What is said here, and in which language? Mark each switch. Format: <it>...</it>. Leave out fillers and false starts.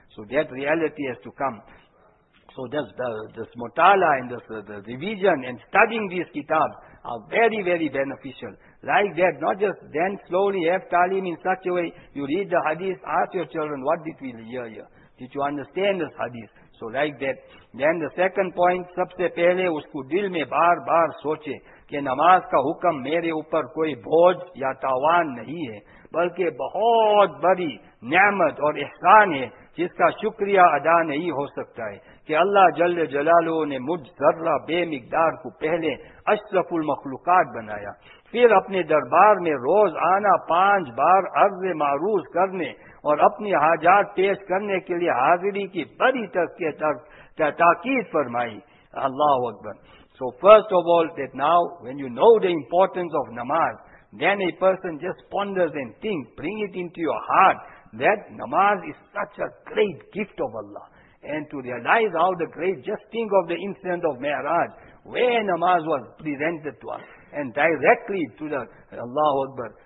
<en>So that reality has to come. So this mutala and the revision and studying these kitabs are very, very beneficial. Like that, not just then slowly have ta'aleem in such a way, you read the hadith, ask your children, what did we hear here? Did you understand this hadith? So like that. Then the second point,</en> <ur>sabse pehle usko dil mein baar baar soche, ke namaz ka hukam mere upar koi bhoj ya tawan nahi hai, balke bahut badi ni'mat aur ihsan hai, جس کا شکریہ ادا نہیں ہو سکتا ہے کہ اللہ جل جلالہ نے مجھ ذرہ بے مقدار کو پہلے اشرف المخلوقات بنایا پھر اپنے دربار میں روز آنا 5 بار عرض معروض کرنے اور اپنی حاجات پیش کرنے کے لیے حاضری کی بڑی تاکید فرمائی اللہ اکبر.</ur> <en>So first of all, that now when you know the importance of namaz, then a person just ponders and thinks, bring it into your heart, that namaz is such a great gift of Allah. And to realize how the great, just think of the incident of Mi'raj, where namaz was presented to us, and directly to the Allahu Akbar.</en>